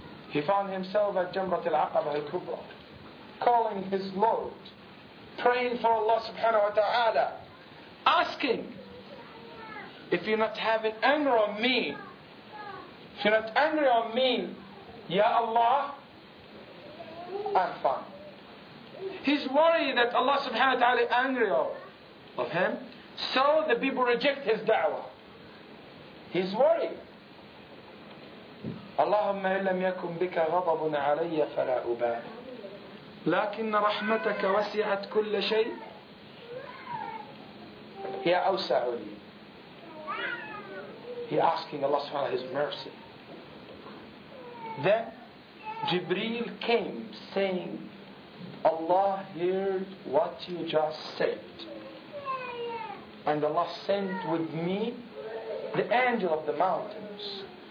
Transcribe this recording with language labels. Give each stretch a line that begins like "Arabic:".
English: He found himself at Jamrat al-Aqabah al-Kubra, calling his Lord, praying for Allah subhanahu wa ta'ala, asking, if you're not having anger on me, if you're not angry on me, Ya Allah, I'm fine. He's worried that Allah subhanahu wa ta'ala is angry of him, so the people reject his da'wah. He's worried.
Arabic: اللهم إن لم يكن بك غضب علي فلا أبال لكن رحمتك وسعت كل شيء هي أوسع لي.
English: He asking Allah subhanahu wa ta'ala his mercy. Then Jibreel came saying, Allah heard what you just said, and Allah sent with me the angel of the mountains.